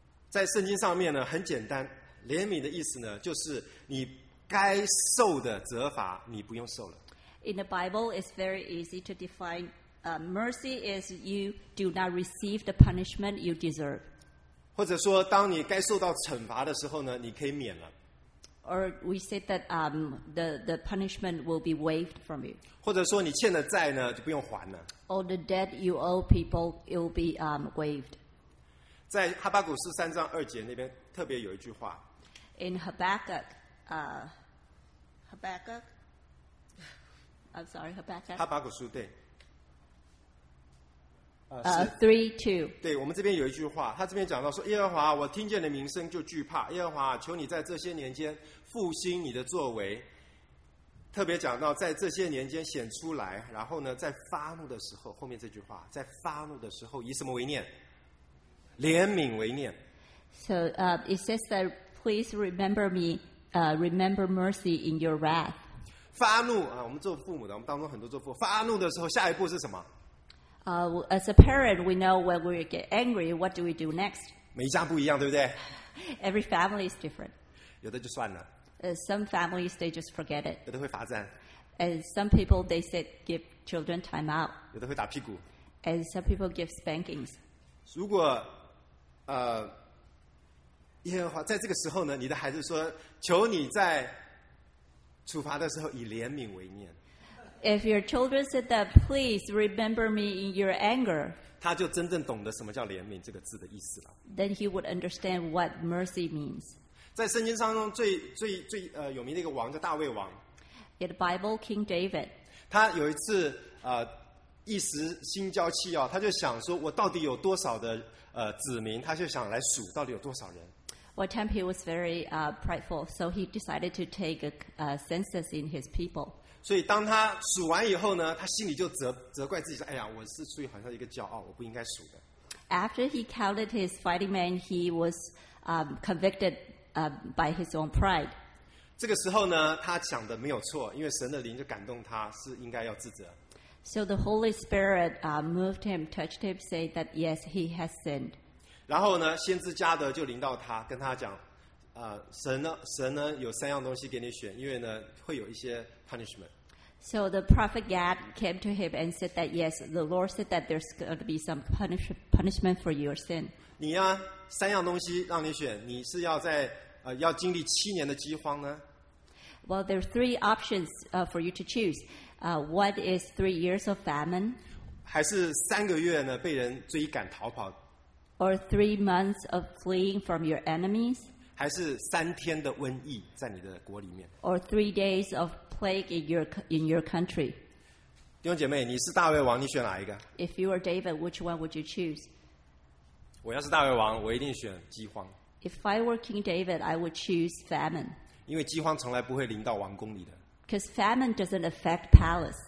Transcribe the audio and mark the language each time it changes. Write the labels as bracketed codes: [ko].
[zh] 在圣经上面呢，很简单，怜悯的意思呢，就是你。该受的责罚你不用受了。 [en] In the Bible, it's very easy to define mercy is you do not receive the punishment you deserve. [zh] 或者说，当你该受到惩罚的时候呢，你可以免了。 [en] Or we say that the punishment will be waived from you. [zh] 或者说，你欠的债呢就不用还了。 [en] Or the debt you owe people will be waived. [zh] 在哈巴谷四三章二节那边特别有一句话。 [en] In Habakkuk. Habakkuk. I'm sorry, Habakkuk. [zh] 哈巴谷书对。 [en] 3:2. [zh] 对，我们这边有一句话，他这边讲到说：“耶和华，我听见的名声就惧怕。耶和华，求你在这些年间复兴你的作为。” 特别讲到在这些年间显出来，然后呢，在发怒的时候，后面这句话，在发怒的时候以什么为念？怜悯为念。 [en] So, it says that please remember me. Remember mercy in your wrath. [zh] 发怒啊！我们做父母的，我们当中很多做父母，发怒的时候，下一步是什么？ [en] As a parent, we know when we get angry, what do we do next? [zh] 每一家不一样，对不对 [en] ？Every family is different. [zh] 有的就算了。 [en] Some families they just forget it. [zh] 有的会罚站。 [en] And some people they said give children time out. [zh] 有的会打屁股。 [en] And some people give spankings. [zh] 如果，耶和华在这个时候呢，你的孩子说：“求你在处罚的时候以怜悯为念。” [en] If your children said that, please remember me in your anger. [zh] 他就真正懂得什么叫怜悯这个字的意思了。 [en] Then he would understand what mercy means. [zh] 在圣经当中最有名的一个王叫大卫王。 [en] In the Bible, King David. [zh] 他有一次一时心焦气哦，他就想说：“我到底有多少的子民？” 他就想来数到底有多少人。 [en] One time he was very prideful, so he decided to take a census in his people. [zh] 所以当他数完以后呢，他心里就责怪自己说：“哎呀，我是出于好像一个骄傲，我不应该数的。” [en] After he counted his fighting men, he was convicted by his own pride. [zh] 这个时候呢，他想的没有错，因为神的灵就感动他，是应该要自责。 [en] So the Holy Spirit moved him, touched him, said that yes, he has sinned. [zh] 然后呢，先知加德就临到他，跟他讲，神呢有三样东西给你选，因为呢会有一些 punishment。 [en] So the prophet Gad came to him and said that yes, the Lord said that there's going to be some punishment for your sin。 [zh] 你呀，三样东西让你选，你是要在要经历七年的饥荒呢 [en] ？Well, there are three options for you to choose. What is 3 years of famine? [zh] 还是三个月呢？被人追赶逃跑？ [en] Or 3 months of fleeing from your enemies? [zh] 还是三天的瘟疫在你的国里面？ [en] Or 3 days of plague in your country? [zh] 弟兄姐妹，你是大卫王，你选哪一个？ [en] If you are David, which one would you choose? [zh] 我要是大卫王，我一定选饥荒。 [en] If I were King David, I would choose famine. [zh] 因为饥荒从来不会临到王宫里的。 [en] Because famine doesn't affect palace.